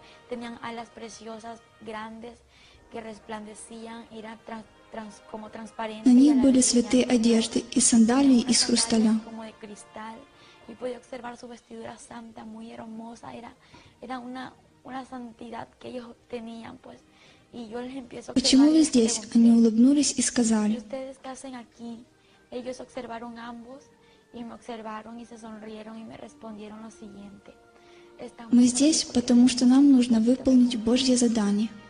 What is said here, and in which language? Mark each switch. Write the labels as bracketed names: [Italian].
[Spanish] Tenían alas preciosas, grandes, que resplandecían, eran como transparentes. [Russian] На них были святые одежды и сандалии из хрусталя. [Spanish] Como de cristal, y pude observar su vestidura santa, muy hermosa. Era una santidad que ellos tenían, pues. Y yo les empiezo a [Russian] Почему вы здесь? Они улыбнулись и сказали. [Spanish] Ustedes qué hacen aquí? Ellos observaron ambos y me observaron y se sonrieron y me respondieron lo siguiente. [Russian] Мы здесь, потому что нам нужно выполнить Божье задание.